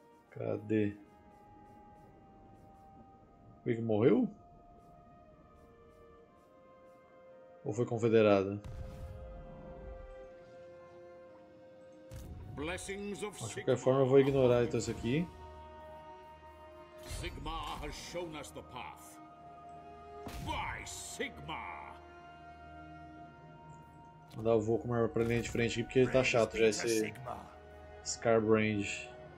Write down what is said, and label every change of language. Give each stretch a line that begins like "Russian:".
Portuguese: Cadê? O Quick morreu? Ou foi confederado?
English: Blessings of
Portuguese: De qualquer forma, eu vou ignorar então isso aqui.
English: Sigmar has shown us the path. By Sigmar!
Portuguese: Vou dar o voo com uma arma pra linha de frente aqui porque ele tá chato já esse Scarbrange.